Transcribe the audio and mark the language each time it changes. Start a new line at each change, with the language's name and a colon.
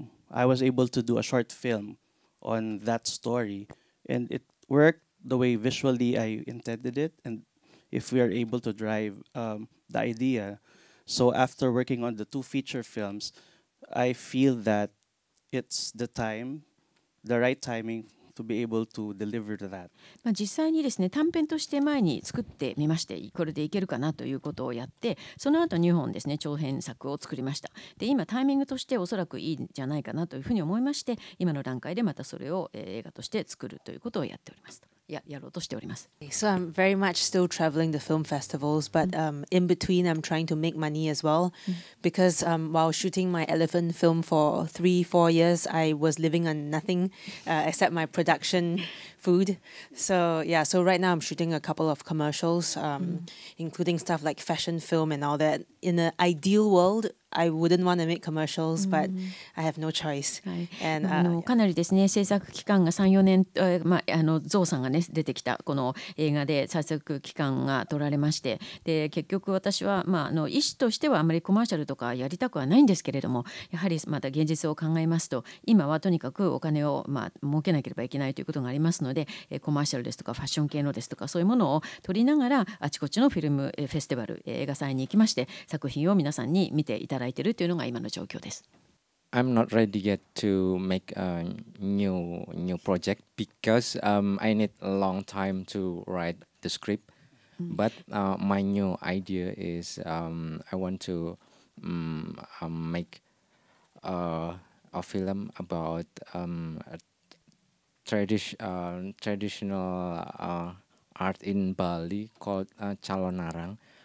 English: I was able to do a short film on that story, and it worked the way visually I intended it, and if we are able to drive the idea. So after working on the two feature films, I feel that it's the time, the right timing,To be able to deliver to that.
Japanese: まあ実際にですね短編として前に作ってみましてこれでいけるかなということをやってその後2本ですね長編作を作りましたで今タイミングとしておそらくいいんじゃないかなというふうに思いまして今の段階でまたそれを、映画として作るということをやっておりますと やろうとしております
English: So I'm very much still traveling the film festivals but、in between I'm trying to make money as well、because、while shooting my elephant film for 3-4 years I was living on nothing、except my production food so yeah so right now I'm shooting a couple of commercials、including stuff like fashion film and all that in an ideal worldI wouldn't want to make commercials, but I have no choice.
Japanese: かなりですね、制作期間が 3-4 年、まあ、ゾウさんが、ね、出てきたこの映画で制作期間が取られまして、で結局私は、まあ、医師としてはあまりコマーシャルとかやりたくはないんですけれども、やはりまた現実を考えますと、今はとにかくお金を、まあ、儲けなければいけないということがありますので、コマーシャルですとかファッション系のですとか、そういうものを取りながら、あちこちのフィルムフェスティバル、映画祭に行きまして、作品を皆さんに見ていただいているというのが今の状況です。
English: I'm not ready yet to make a new project because I need a long time to write the script. But my new idea is I want to make a film about traditional art in Bali called Calonarang.